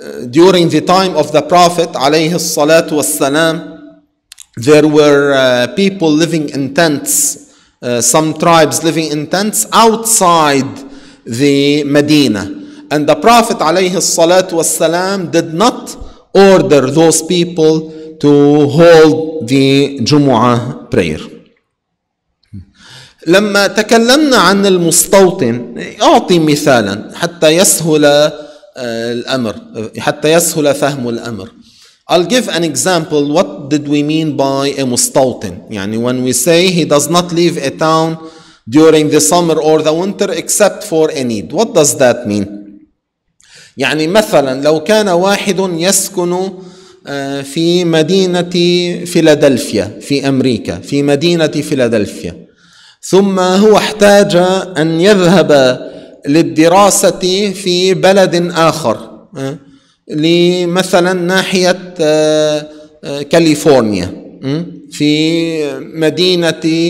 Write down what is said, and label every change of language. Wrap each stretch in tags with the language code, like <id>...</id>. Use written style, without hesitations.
<en>During the time of the Prophet</en> <ar>عليه الصلاة والسلام</ar> <en>there were people living in tents some tribes living in tents outside the Medina And the Prophet عليه الصلاة والسلام did not order those people to hold the Jumu'ah prayer.</en> <ar>لما تكلمنا عن المستوطن أعطي مثالا حتى يسهل الأمر حتى يسهل فهم الأمر.</ar> <en>I'll give an example. What did we mean by a مستوطن? يعني when we say he does not leave a town during the summer or the winter except for a need. What does that mean?</en> <ar>يعني مثلا لو كان واحد يسكن في مدينة فيلادلفيا في أمريكا في مدينة فيلادلفيا ثم هو احتاج أن يذهب للدراسة في بلد آخر لمثلا ناحية كاليفورنيا في مدينة</ar>